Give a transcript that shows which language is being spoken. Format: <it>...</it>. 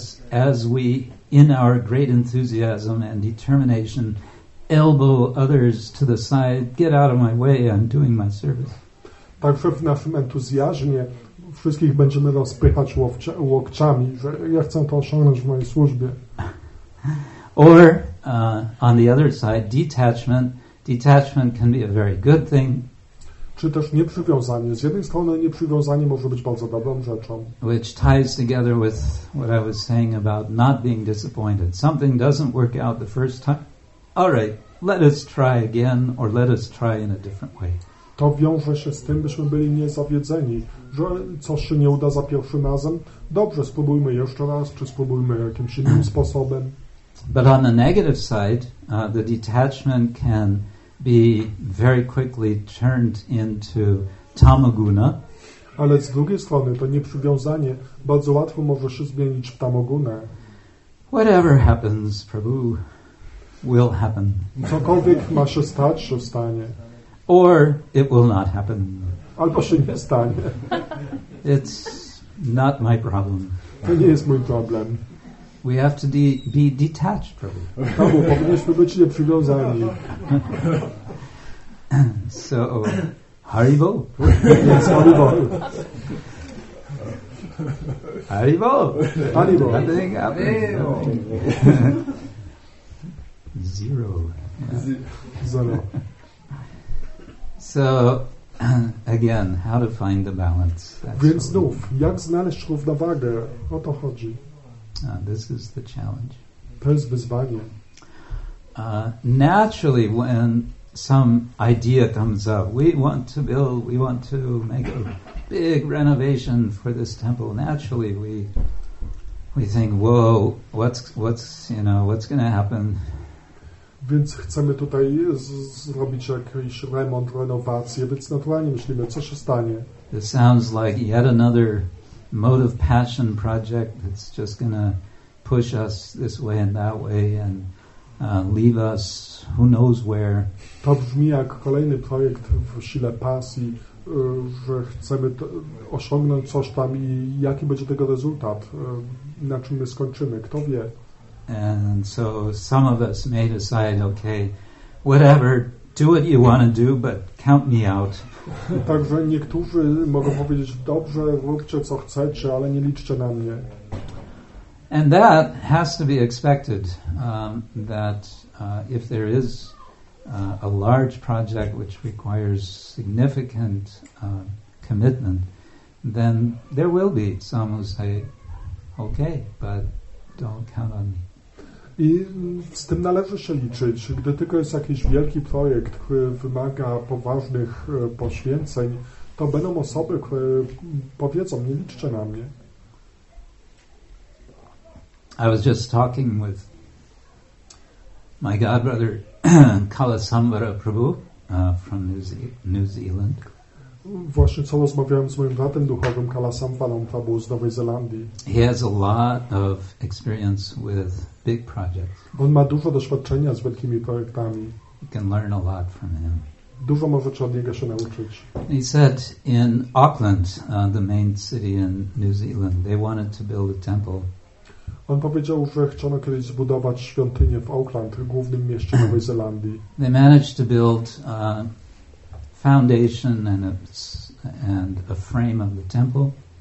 <en>As we, in our great enthusiasm and determination, elbow others to the side, get out of my way, I'm doing my service.</en> <pl>Także w naszym entuzjazmie wszystkich będziemy rozpychać łokciami, że ja chcę to osiągnąć w mojej służbie.</pl> <en>Or, on the other side, detachment. Detachment can be a very good thing.</en> <pl>Czy też nieprzywiązanie. Z jednej strony nieprzywiązanie może być bardzo dobrą rzeczą.</pl> <en>Which ties together with what I was saying about not being disappointed. Something doesn't work out the first time. All right, let us try again or let us try in a different way.</en> <pl>To wiąże się z tym, byśmy byli niezawiedzeni, że coś się nie uda za pierwszym razem. Dobrze, spróbujmy jeszcze raz, czy spróbujmy jakimś innym sposobem.</pl> <en>But on the negative side, the detachment can be very quickly turned into tamoguna.</en> <pl>Ale z drugiej strony to nieprzywiązanie bardzo łatwo może się zmienić w tamogunę.</pl> <en>Whatever happens, Prabhu, will happen.</en> <pl>Cokolwiek ma się stać, się stanie.</pl> <en>Or it will not happen.</en> <pl>Albo się nie stanie.</pl> <en>It's not my problem.</en> <pl>To nie jest mój problem.</pl> <en>We have to be detached, Prabhu.</en> <pl>Prabhu, powinniśmy być nieprzywiązani.</pl> <en>So, Haribo? Yes, Haribo. Haribo? Haribo. Nothing happened. Zero. Zero. So, again, how to find the balance. That's</en> <pl>Więc znów, jak znaleźć równowagę? O to chodzi.</pl> <en>This is the challenge.</en> <pl>To jest wyzwanie.</pl> <en>Naturally, when some idea comes up, we want to build, we want to make a big renovation for this temple. Naturally, we think, whoa, what's going to happen?</en> <pl>Więc chcemy tutaj zrobić jakąś remont, renowację, więc naturalnie myślimy, co się stanie.</pl> <en>It sounds like yet another mode of passion project that's just gonna push us this way and that way and leave us who knows where.</en> <pl>To brzmi jak kolejny projekt w sile pasji, że chcemy osiągnąć coś tam i jaki będzie tego rezultat, na czym my skończymy, kto wie.</pl> <en>And so some of us may decide, okay, whatever, do what you want to do, but count me out.</en> <pl>Także niektórzy mogą powiedzieć, dobrze, róbcie co chcecie, ale nie liczcie na mnie.</pl> <en>And that has to be expected, that if there is a large project which requires significant commitment, then there will be some who say, okay, but don't count on me.</en> <pl>I z tym należy się liczyć. Gdy tylko jest jakiś wielki projekt, który wymaga poważnych poświęceń, to będą osoby, które powiedzą, nie liczcie na mnie.</pl> <en>I was just talking with my godbrother Kalasambara Prabhu from New Zealand.</en> <pl>Właśnie co rozmawiałem z moim bratem duchowym Kalasambaram Prabhu z Nowej Zelandii.</pl> <en>He has a lot of experience with big projects.</en> <pl>On ma dużo doświadczenia z wielkimi projektami.</pl> <en>You can learn a lot from him.</en> <pl>Dużo możecie od niego się nauczyć.</pl> <en>He said in Auckland, the main city in New Zealand, they wanted to build a temple.</en> <pl>On powiedział, że chciano kiedyś zbudować świątynię w Auckland, głównym mieście Nowej Zelandii.</pl> <en>They managed to build a foundation and a frame of the temple.</en>